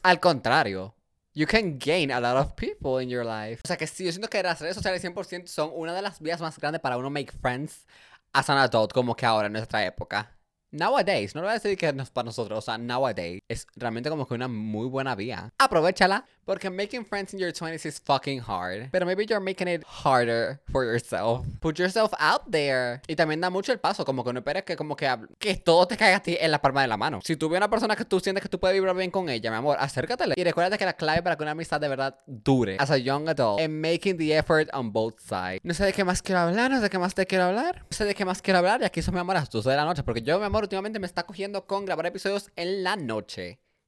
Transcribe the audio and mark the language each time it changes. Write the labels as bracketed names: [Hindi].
[Spanish] Al contrario, [English] you can gain a lot of people in your life. [Spanish] O sea que sí, yo siento que las redes sociales 100% son una de las vías más grandes para uno [English] make friends as an adult. [Spanish] Como que ahora en nuestra época, [English] nowadays, [Spanish] no lo voy a decir que no es para nosotros, o sea, nowadays, es realmente como que una muy buena vía. Aprovechala, porque [English] making friends in your 20s is fucking hard. [Spanish] Pero [English] maybe you're making it harder for yourself. Put yourself out there. [Spanish] Y también da mucho el paso, como que no esperes que como que todo te caiga a ti en la palma de la mano. Si tú ves a una persona que tú sientes que tú puedes vibrar bien con ella, mi amor, acércatele. Y recuérdate que la clave para que una amistad de verdad dure [English] as a young adult is making the effort on both sides. [Spanish] No sé de qué más quiero hablar, No sé de qué más quiero hablar, y aquí son, mi amor, a las 12 de la noche, porque yo, mi amor, últimamente me está cogiendo con grabar episodios en la noche.